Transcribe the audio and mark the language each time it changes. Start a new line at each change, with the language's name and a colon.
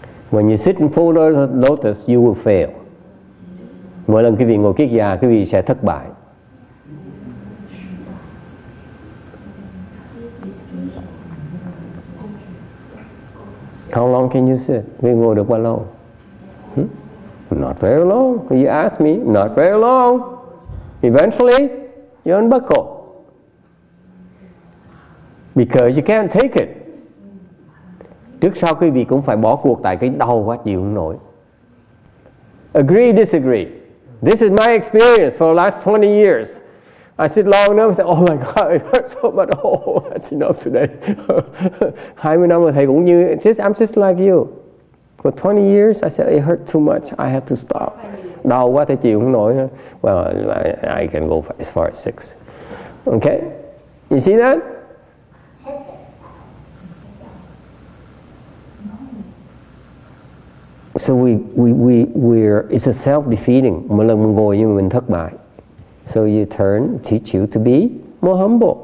English: When you sit in full lotus, you will fail.
Vietnamese: Mỗi lần quý vị ngồi kiết già, quý vị sẽ thất bại.
English: How long can you sit? We go to
Vietnamese: bao lâu?
English: Not very long. You ask me, not very long. Eventually, you unbuckle. Because you can't take it.
Vietnamese: Trước sau quý vị cũng phải bỏ cuộc tại cái đau quá chịu không nổi.
English: Agree, disagree. This is my experience for the last 20 years. I sit long enough and say, oh my God, it hurts so much. Oh, that's enough today.
Vietnamese: 20 năm rồi thầy cũng như,
English: I'm just like you. For 20 years, I said, it hurts too much. I have to stop.
Vietnamese: Đau quá thầy chịu không nổi.
English: Well, I can go as far as 6. Okay? You see that? So we're, it's a self-defeating.
Vietnamese: Mỗi lần mình ngồi nhưng mình thất bại.
English: So you turn, teach you to be more humble.